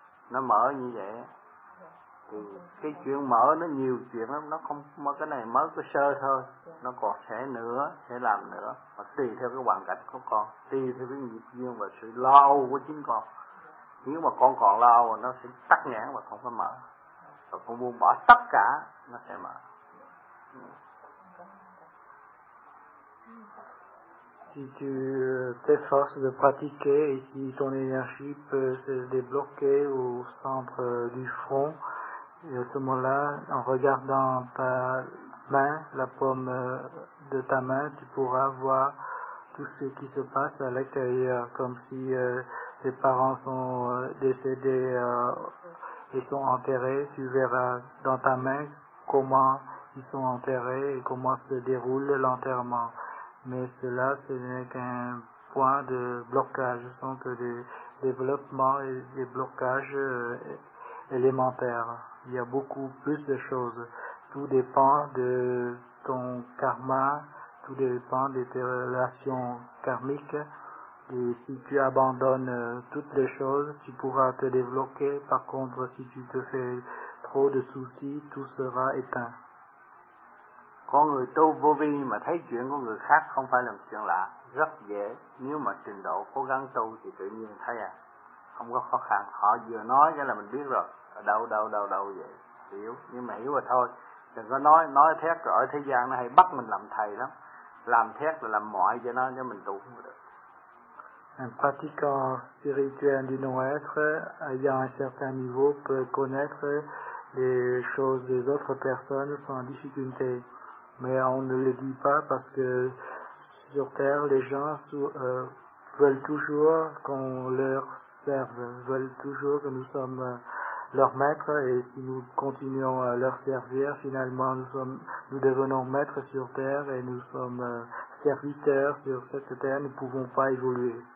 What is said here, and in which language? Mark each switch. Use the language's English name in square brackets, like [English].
[Vietnamese] Nó mở như vậy thì cái chuyện mở nó nhiều chuyện lắm, nó không mở cái này mới có sơ thôi, nó còn sẽ nữa, sẽ làm nữa, mà tùy theo cái hoàn cảnh của con, tùy theo cái nghiệp duyên và sự lo âu của chính con. Nếu mà con còn lo âu nó sẽ tắc nghẽn và không có mở. Và con buông bỏ tất cả, nó sẽ mở. [French] Si tu t'efforces de pratiquer et si ton énergie peut se débloquer au centre du front, et à ce moment-là, en regardant ta main, la paume de ta main, tu pourras voir tout ce qui se passe à l'extérieur, comme si tes parents sont décédés et sont enterrés. Tu verras dans ta main comment ils sont enterrés et comment se déroule l'enterrement. Mais cela, ce n'est qu'un point de blocage, ce sont que des développements et des blocages élémentaires. Il y a beaucoup plus de choses. Tout dépend de ton karma, tout dépend de tes relations karmiques. Et si tu abandonnes toutes les choses, tu pourras te débloquer. Par contre, si tu te fais trop de soucis, tout sera éteint. [Vietnamese] Con người tu vô vi mà thấy chuyện của người khác không phải là chuyện lạ, rất dễ. Nếu mà trình độ cố gắng tu thì tự nhiên thấy à, không có khó khăn. Họ vừa nói cái là mình biết rồi, ở đâu vậy, hiểu. Nhưng mà hiểu rồi thôi, đừng có nói thét rồi. Ở thế gian nó hay bắt mình làm thầy lắm, làm thét là làm mọi cho nó, cho mình tu không được. [French] Un pratiquant spirituel du non-être, ayant un certain niveau, peut connaître les choses des autres personnes sans difficulté. Mais on ne le dit pas parce que sur Terre, les gens veulent toujours qu'on leur serve, veulent toujours que nous sommes leurs maîtres, et si nous continuons à leur servir, finalement nous devenons maîtres sur Terre et nous sommes serviteurs sur cette Terre, nous ne pouvons pas évoluer.